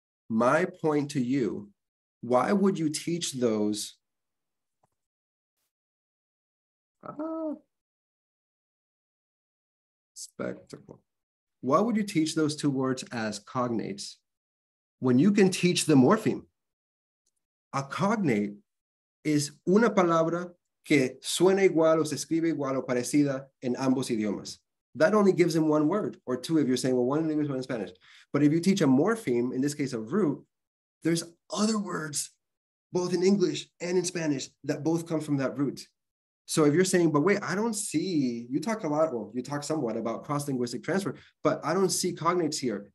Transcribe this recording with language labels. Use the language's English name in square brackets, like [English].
[English] My point to you, why would you teach those? Spectacle. Why would you teach those two words as cognates when you can teach the morpheme? A cognate is [Spanish] una palabra que suena igual o se escribe igual o parecida en ambos idiomas. [English] That only gives them one word or two if you're saying, well, one in English, one in Spanish. But if you teach a morpheme, in this case a root, there's other words, both in English and in Spanish, that both come from that root. So if you're saying, but wait, I don't see, you talk a lot, well, you talk somewhat about cross-linguistic transfer, but I don't see cognates here.